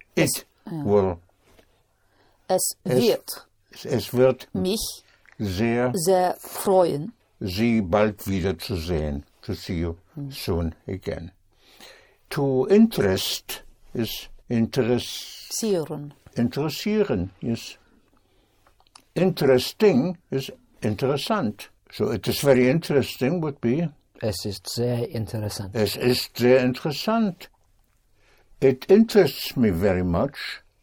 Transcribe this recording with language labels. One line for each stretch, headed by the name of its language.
German: Es wird mich sehr freuen, Sie bald wieder zu sehen,
English: to see you soon again. To interest is
German: interessieren.
English: Interessieren is interesting, is interessant. So it is very interesting would be.
German: Es ist sehr interessant. Es ist sehr interessant.
English: It interests me very much.